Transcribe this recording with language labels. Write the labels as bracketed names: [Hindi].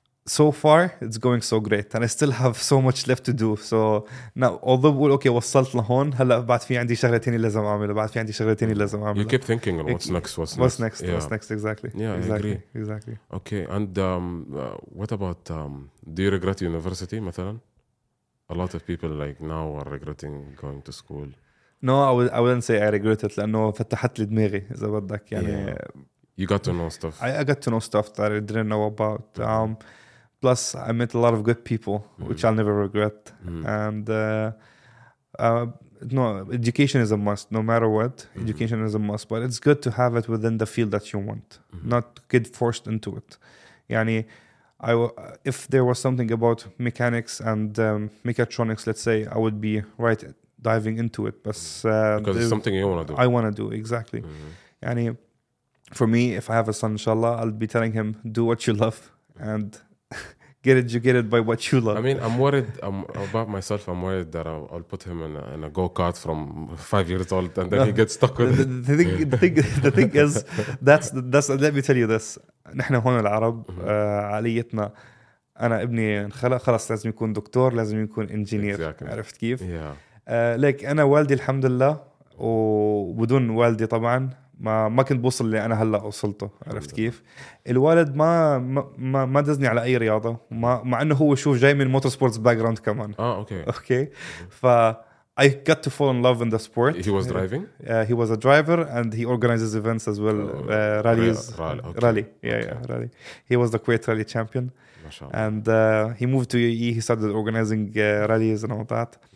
[English] So far, it's going so great, and I still have so much left to do. So now, although we're okay, [Arabic] وصلت لهون. هلا بعد في عندي شغلتين لازم أعمله. بعد في عندي شغلتين لازم أعمله. [English] You keep thinking what's next. What's next? Yeah. What's next? Exactly. Yeah, exactly. I agree. Exactly. Okay. And what about? Do you regret university? مثلا, a lot of people like now are regretting going to school. No, I wouldn't say I regret it. [Arabic] لأنه فتحت لي دماغي إذا بدك يعني. [English] You got to know stuff. I got to know stuff that I didn't know about. Plus, I met a lot of good people, which I'll never regret. And no, education is a must, no matter what. Education is a must, but it's good to have it within the field that you want, not get forced into it. Yani, if there was something about mechanics and mechatronics, let's say, I would be right diving into it. But because it's something you want to do. I want to do, exactly. Yani, for me, if I have a son, inshallah, I'll be telling him, do what you love and get educated by what you love. I mean, I'm worried about myself that I'll put him in a go-kart from 5 years old and then he gets stuck with the thing is that's let me tell you this. [Arabic] نحن هون العرب عاليتنا انا ابني خلاص لازم يكون دكتور لازم يكون انجينير عرفت كيف ليك انا والدي الحمد لله وبدون والدي طبعا ما كنت بوصل اللي انا هلا وصلته عرفت كيف الوالد ما دزني على اي رياضه مع انه هو شوف جاي من موتور سبورتس باك جراوند كمان اوكي [English] ف I got to fall in love in the sport. He was driving? He was a driver and he organizes events as well, rallies. Rally. Okay. Rally. He was the Kuwait rally champion. Mashallah. And he moved to UAE. He started organizing rallies and all that.